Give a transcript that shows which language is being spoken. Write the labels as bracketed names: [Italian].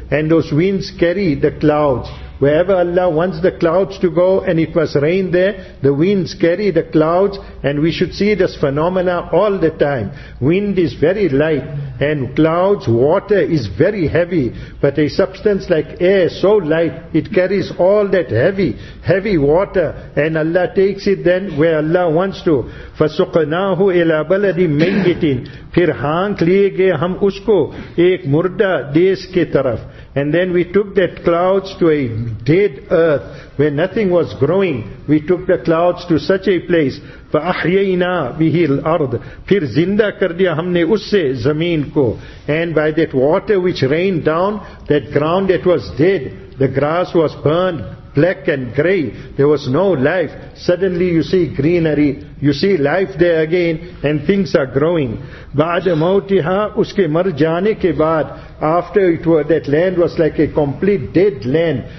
[English] And those winds carry the clouds. Wherever Allah wants the clouds to go and it must rain there, the winds carry the clouds, and we should see this phenomena all the time. Wind is very light and clouds, water is very heavy, but a substance like air, so light, it carries all that heavy water, and Allah takes it then where Allah wants to. [Arabic] فَسُقْنَاهُ إِلَىٰ بَلَدٍ مَيِّتٍ [Urdu] پھر Hong لیے گئے ہم اس کو ایک مردہ دیس کے طرف. [English] And then we took that clouds to a dead earth where nothing was growing. We took the clouds to such a place. [Arabic] فَأَحْيَيْنَا بِهِ الْأَرْضِ [Urdu] پھر زِندَا کر دیا ہم نے اس سے زمین کو. [English] And by that water which rained down, that ground that was dead, the grass was burned black and grey. There was no life. Suddenly you see greenery. You see life there again, and things are growing. [Arabic] بعد موتها [Urdu] اس کے مر جانے کے بعد, [English] after it were, that land was like a complete dead land.